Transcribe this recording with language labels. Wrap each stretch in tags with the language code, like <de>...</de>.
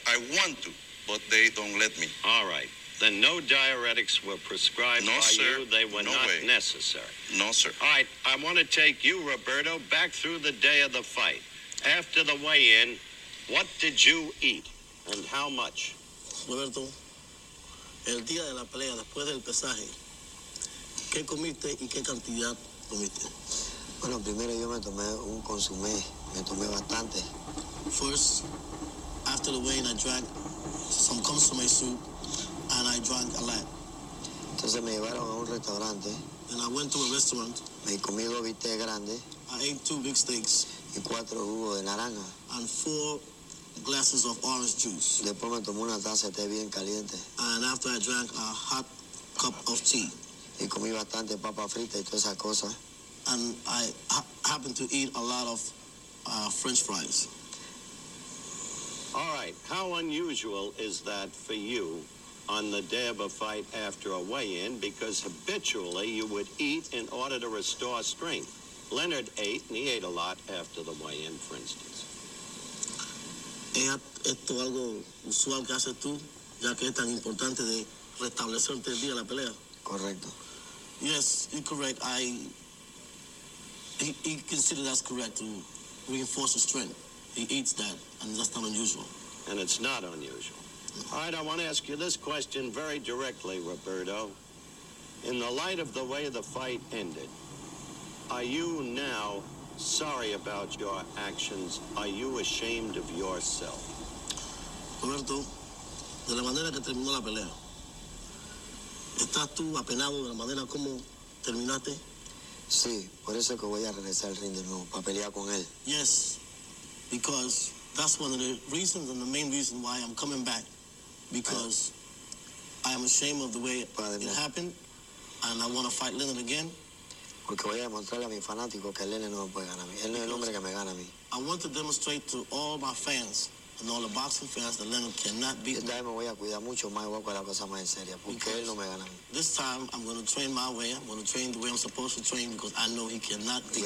<en>I want to, but they don't let me. All right. Then no diuretics were prescribed by you. They were no not way. Necessary. No, sir. All right, I want to take you, Roberto, back through the day of the fight. After the weigh-in, what did you eat and how much?</en> <es>Roberto, el día de la pelea, después del pesaje, ¿qué comiste y qué cantidad comiste? Bueno, primero yo me tomé un consumé. Me tomé bastante.</es> <en>First, after the weigh-in, I drank some consumé soup. And I drank a lot.</en> <es>Entonces me llevaron a un restaurante.</es> <en>And I went to a restaurant.</en> <es>Me comí dos bistecs grandes.</es> <en>I ate two big steaks.</en> <es>Y cuatro jugos de naranja.</es> <en>And four glasses of orange juice.</en> <es>Después me tomé una taza de té bien caliente.</es> <en>And after I drank a hot cup of tea.</en> <es>Y comí bastante papa frita y todas esas cosas.</es> <en>And I happened to eat a lot of French fries. All right, how unusual is that for you on the day of a fight after a weigh-in? Because habitually you would eat in order to restore strength. Leonard ate, and he ate a lot after the weigh-in, for instance.</en> <es>Esto algo usual que haces tú, ya que es tan importante de restablecerte el día de la pelea. Correcto.</es> <en>Yes, you're correct. He considered that's correct to reinforce the strength. He eats that, and that's not unusual. And it's not unusual. All right, I want to ask you this question very directly, Roberto. In the light of the way the fight ended, are you now sorry about your actions? Are you ashamed of yourself?</en> <es>Roberto, de la manera que terminó la pelea, ¿estás tú apenado de la manera como terminaste? Sí, por eso que voy a regresar al ring de nuevo, para pelear con él.</es> <en>Yes, because that's one of the reasons and the main reason why I'm coming back. Because I am ashamed of the way it happened, and I want to fight Leonard again.</en> <es>Porque voy a demostrarle a mis fanáticos que Leonard no me puede ganar a mí. Él no es el hombre que me gana a mí.</es> <en>I want to demonstrate to all my fans and all the boxing fans that Leonard cannot beat me.</en> <es>Esta vez me voy a cuidar mucho más y voy a coger la cosa más en serio, porque él no me gana a mí.</es> <en>This time I'm going to train my way. I'm going to train the way I'm supposed to train because I know he cannot beat me.</en>